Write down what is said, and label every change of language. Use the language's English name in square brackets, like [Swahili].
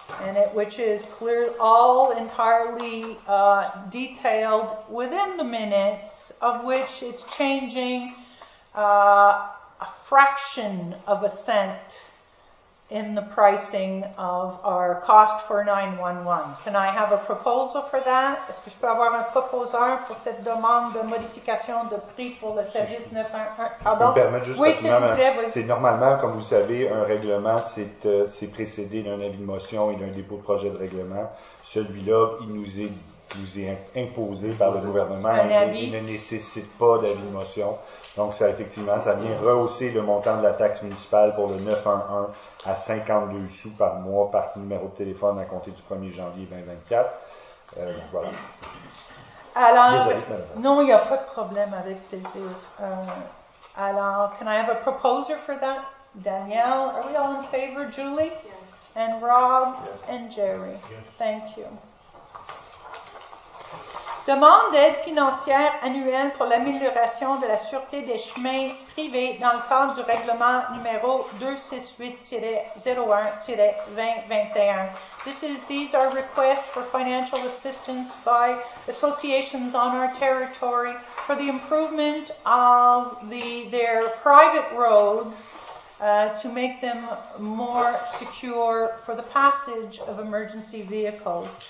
[English] and it, which is clear, all entirely detailed within the minutes, of which it's changing a fraction of a cent in the pricing of our cost for 911. Can I have a proposal for that? [French] Est-ce que je peux avoir un proposeur pour cette demande de modification de prix pour le service 911? Pardon? Oui, s'il vous plaît. C'est normalement, comme vous savez, un règlement, c'est précédé d'un avis de motion et d'un dépôt de projet de règlement. Celui-là, il nous est imposé par le gouvernement. Un avis. Il ne nécessite pas d'avis de motion. Donc, ça, effectivement, ça vient rehausser le montant de la taxe municipale pour le 911 à 52 sous par mois par numéro de téléphone à compter du 1er janvier 2024. Voilà. Alors, non, il n'y a pas de problème avec plaisir. [English] Alors, can I have a proposer for that? Danielle, are we all in favor? Julie? Yes. And Rob? Yes. And Jerry? Yes. Thank you. [French] Demande d'aide financière annuelle pour l'amélioration de la sûreté des chemins privés dans le cadre du règlement numéro 268-01-2021. [English] These are requests for financial assistance by associations on our territory for the improvement of their private roads to make them more secure for the passage of emergency vehicles.